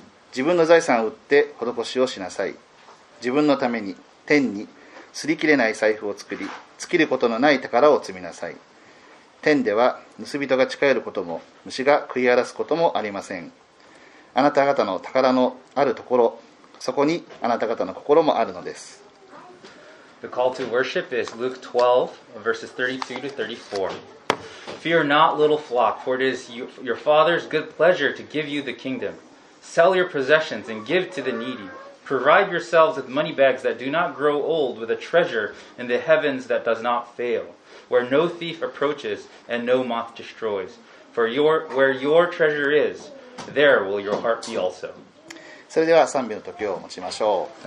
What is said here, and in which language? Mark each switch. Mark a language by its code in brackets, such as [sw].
[ja] 自分の財産を売って施しをしなさい。自分のために天に擦り切れない財布を作り、尽きることのない宝を積みなさい。天では盗人が近寄ることも、虫が食い荒らすこともありません。あなた方の宝のあるところ、そこにあなた方の心もあるのです。 [en] The call to worship is Luke 12, verses 32 to 34. Fear not, little flock, for it is your Father's good pleasure to give you the kingdom. Sell your possessions and give to the needy. Provide yourselves with money bags that do not grow old, with a treasure in the heavens that does not fail, where no thief approaches and no moth destroys. For where your treasure is, there will your heart be also. [ja] それでは賛美の時を持ちましょう。